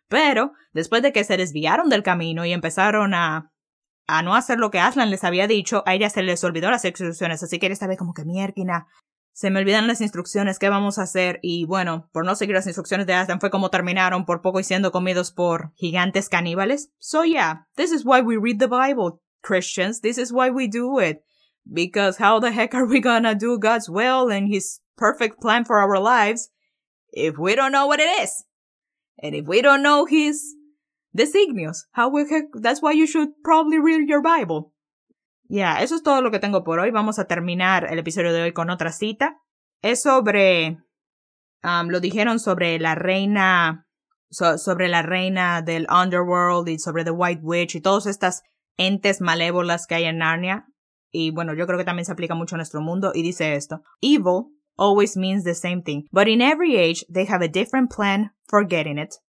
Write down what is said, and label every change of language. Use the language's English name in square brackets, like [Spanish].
[Spanish] Pero después de que se desviaron del camino y empezaron a no hacer lo que Aslan les había dicho, a ella se les olvidó las instrucciones, así que esta vez como que miérquina, se me olvidan las instrucciones, ¿qué vamos a hacer? Y bueno, por no seguir las instrucciones de Aslan, fue como terminaron por poco y siendo comidos por gigantes caníbales. [English] So yeah, this is why we read the Bible, Christians, this is why we do it, because how the heck are we gonna do God's will and his perfect plan for our lives if we don't know what it is? And if we don't know his designios. That's why you should probably read your Bible. [Spanish] Yeah, eso es todo lo que tengo por hoy. Vamos a terminar el episodio de hoy con otra cita. Es sobre, lo dijeron sobre la reina, sobre la reina del Underworld y sobre The White Witch y todas estas entes malévolas que hay en Narnia. Y bueno, yo creo que también se aplica mucho a nuestro mundo. Y dice esto: [English] evil always means the same thing, but in every age they have a different plan for getting it.